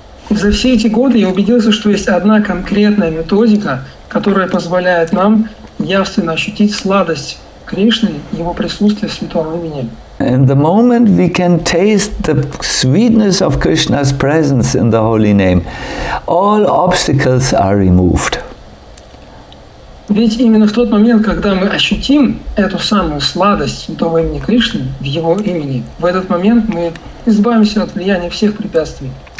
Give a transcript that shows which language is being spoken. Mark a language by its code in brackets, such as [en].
[ru] За все эти годы я убедился, что есть одна конкретная методика, которая позволяет нам явственно ощутить сладость Кришны, его присутствие в святом имени. [en] In the moment we can taste the sweetness of Krishna's presence in the holy name, all obstacles are removed. [ru] Ведь именно в тот момент, когда мы ощутим эту самую сладость святого имени Кришны в его имени, в этот момент мы избавимся от влияния всех препятствий.